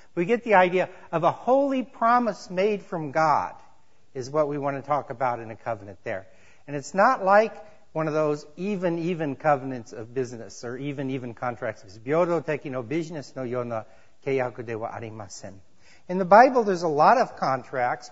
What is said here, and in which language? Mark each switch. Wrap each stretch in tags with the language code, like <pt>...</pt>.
<en>We get the idea of a holy promise made from God is what we want to talk about in a covenant there. And it's not like one of those even covenants of business or even contracts. It's</en> <ja>平等的のビジネスのような契約ではありません。</ja> <en>In the Bible, there's a lot of contracts.</en>